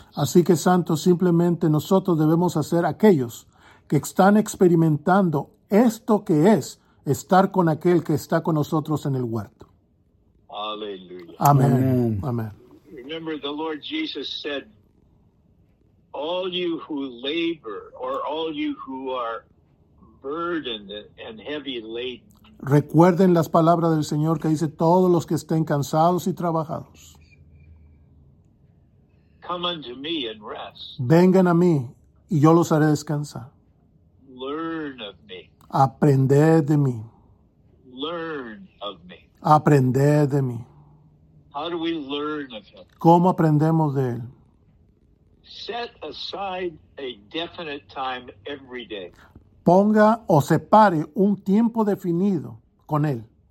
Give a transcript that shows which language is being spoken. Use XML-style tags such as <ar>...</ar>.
<es>Así que santos, simplemente nosotros debemos hacer aquellos que están experimentando esto que es estar con aquel que está con nosotros en el huerto. Aleluya. Amén.</es> <en>Remember, the Lord Jesus said, all you who labor, or all you who are burdened and heavy laden.</en> <es>Recuerden las palabras del Señor que dice, todos los que estén cansados y trabajados.</es> <en>Come unto me and rest.</en> <es>Vengan a mí y yo los haré descansar.</es> <en>Learn of me.</en> <es>Aprender de mí.</es> <en>Learn of me.</en> <es>Aprender de mí.</es> <en>How do we learn of him?</en> <es>¿Cómo aprendemos de él?</es> <en>Set aside a definite time every day.</en> <es>Ponga o separe un tiempo definido con él.</es>